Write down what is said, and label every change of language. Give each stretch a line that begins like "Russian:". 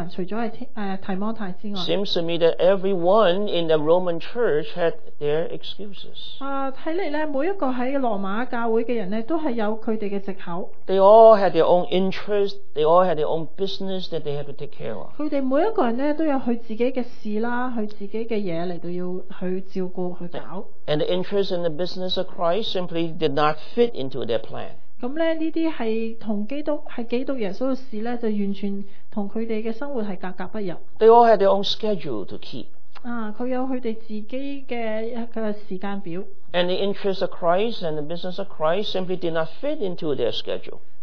English: Seems to me that everyone in the Roman church had their excuses. They all had their own interests, they all had their own business that they had to take care of.
Chinese: 他们每一个人都有他自己的事,他自己的事情都要去照顾,去搞。
English: And the interests and the business of Christ simply did not fit into their plan.
Chinese: 這些是基督耶穌的事,就完全跟他們的生活格格不入。
English: They all had their own schedule to keep.
Chinese: 他有他們自己的時間表。
English: And the interests of Christ and the business of Christ simply did not fit into their schedule.